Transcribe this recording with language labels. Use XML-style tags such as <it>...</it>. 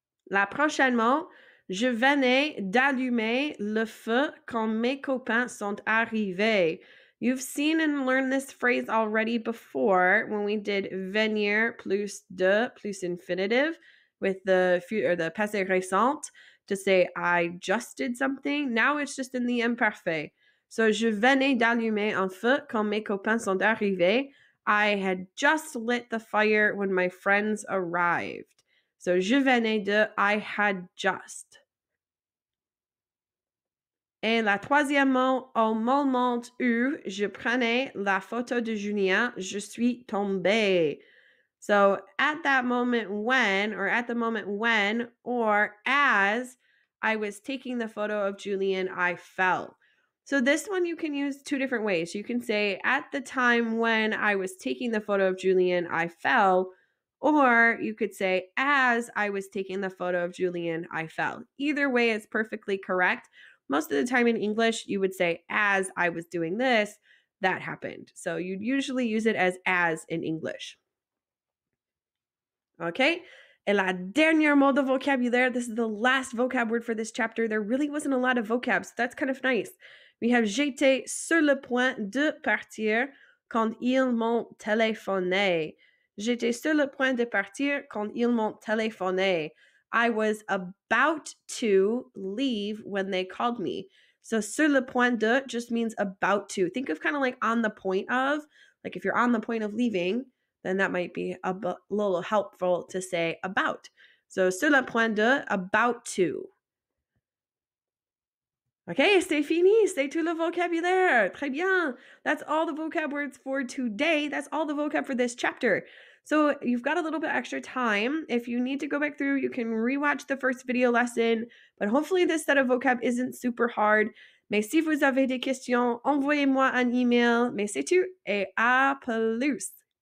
<fr>La prochaine fois, je venais d'allumer le feu quand mes copains sont arrivés.</fr> <en>You've seen and learned this phrase already before when we did venir plus de plus infinitive with the or the passé récent to say I just did something. Now it's just in the imparfait.</en> <fr>So je venais d'allumer un feu quand mes copains sont arrivés.</fr> <en>I had just lit the fire when my friends arrived. So</en> <fr>je venais de,</fr> <en>I had just.</en> <fr>Et la troisième, au moment où je prenais la photo de Julien, je suis tombée.</fr> <en>So at that moment when, or at the moment when, or as I was taking the photo of Julien, I fell. So this one you can use two different ways. You can say at the time when I was taking the photo of Julien, I fell. Or you could say as I was taking the photo of Julien, I fell. Either way is perfectly correct. Most of the time in English, you would say, as I was doing this, that happened. So you'd usually use it as in English. Okay.</en> <fr>Et la dernière mot de vocabulaire.</fr> <en>This is the last vocab word for this chapter. There really wasn't a lot of vocab, so that's kind of nice. We have</en> <fr>j'étais sur le point de partir quand ils m'ont téléphoné. J'étais sur le point de partir quand ils m'ont téléphoné.</fr> <en>I was about to leave when they called me. So</en> <fr>sur le point de</fr> <en>just means about to. Think of kind of like on the point of. Like if you're on the point of leaving, then that might be a little helpful to say about. So</en> <fr>sur le point de,</fr> <en>about to.</en> <fr>Okay, c'est fini. C'est tout le vocabulaire. Très bien.</fr> <en>That's all the vocab words for today. That's all the vocab for this chapter. So you've got a little bit extra time. If you need to go back through, you can rewatch the first video lesson. But hopefully this set of vocab isn't super hard.</en> <fr>Mais si vous avez des questions, envoyez-moi un email. Mais c'est tout. Et à plus.</fr>